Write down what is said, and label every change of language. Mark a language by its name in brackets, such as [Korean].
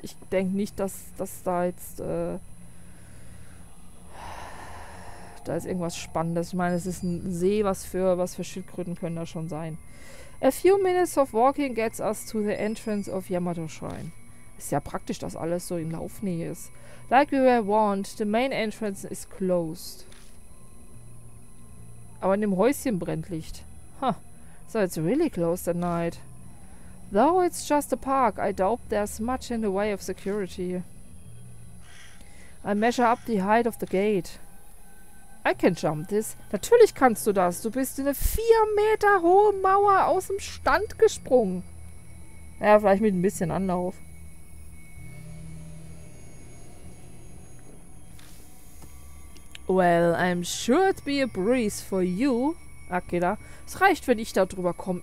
[German] Ich denke nicht, dass das da jetzt da ist irgendwas Spannendes. Ich meine, es ist ein See, was für Schildkröten können da schon sein. [English] A few minutes of walking gets us to the entrance of Yamato Shrine. [German] Ist ja praktisch, dass alles so in Laufnähe ist. [English] Like we were warned, the main entrance is closed. [German] Aber in dem Häuschen brennt Licht. [English] Huh. So it's really closed at night. Though it's just a park, I doubt there's much in the way of security. I measure up the height of the gate. I can jump this. [German] Natürlich kannst du das. Du bist in eine 4 Meter hohe Mauer aus dem Stand gesprungen. Ja, vielleicht mit ein bisschen Anlauf. [English] Well, I'm sure it'd be a breeze for you. [German] Akira, es reicht, wenn ich da drüber komme.